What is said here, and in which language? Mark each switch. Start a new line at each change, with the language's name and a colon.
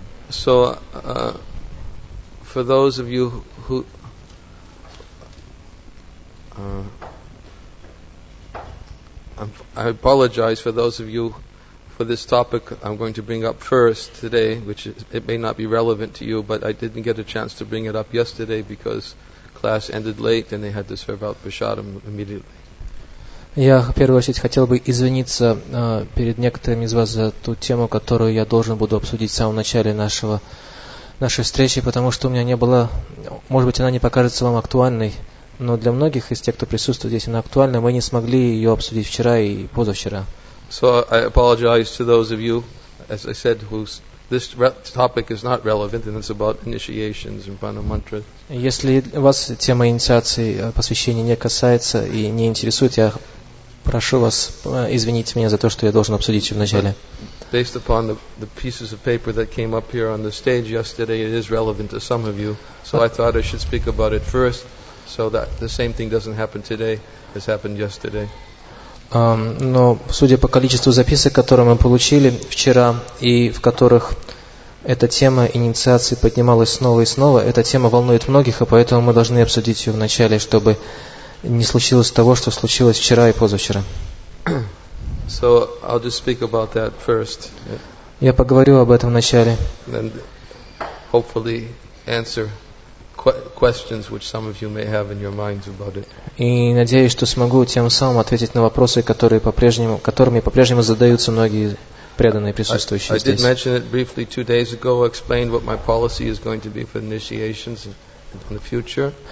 English: So, for those of you who I apologize for those of you for this topic I'm going to bring up first today, which is, it may not be relevant to you, but I didn't get a chance to bring it up yesterday because class ended late and they had to serve out prasadam immediately.
Russian: Я, в первую очередь, хотел бы извиниться перед некоторыми из вас за ту тему, которую я должен буду обсудить в самом начале нашей встречи, потому что у меня не было... Может быть, она не покажется вам актуальной, но для многих из тех, кто присутствует здесь, она актуальна. Мы не смогли ее обсудить вчера и позавчера.
English: So I apologize to those of you, as I said, who's... This topic is not relevant, and it's about initiations and prana mantra.
Russian: Если вас тема инициации посвящения не касается и не интересует, я прошу вас извинить меня за то, что я должен обсудить в начале.
English: Based upon the pieces of paper that came up here on the stage yesterday, it is relevant to some of you. So I thought I should speak about it first, so that the same thing doesn't happen today as happened yesterday.
Russian: Но судя по количеству записок, которые мы получили вчера, и в которых эта тема инициации поднималась снова и снова, эта тема волнует многих, и поэтому мы должны обсудить ее вначале, чтобы не случилось того, что случилось вчера и позавчера.
English: So I'll just speak about that first.
Russian: Я поговорю об этом вначале.
English: And hopefully answer questions which some of you may have in your minds about it.
Russian: И надеюсь, что смогу тем самым ответить на вопросы, которыми по-прежнему задаются многие преданные присутствующие здесь.
English: I did mention it briefly 2 days ago, explained what my policy is going to be for initiations in the future.